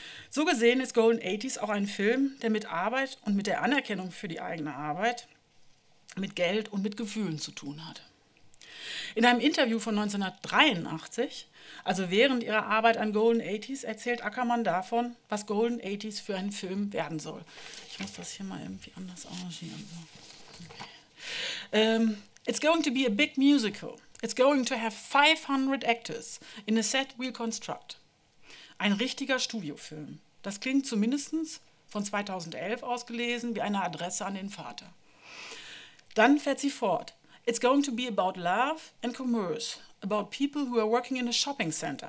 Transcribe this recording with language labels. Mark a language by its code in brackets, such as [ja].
[de] So gesehen ist Golden 80s auch ein Film, der mit Arbeit und mit der Anerkennung für die eigene Arbeit, mit Geld und mit Gefühlen zu tun hat. In einem Interview von 1983, also während ihrer Arbeit an Golden 80s, erzählt Ackermann davon, was Golden 80s für einen Film werden soll. Ich muss das hier mal irgendwie anders arrangieren. [en] So. It's going to be a big musical. It's going to have 500 actors in a set we'll construct. [de] Ein richtiger Studiofilm. Das klingt zumindest von 2011 ausgelesen wie eine Adresse an den Vater. Dann fährt sie fort. [en] It's going to be about love and commerce, about people who are working in a shopping center.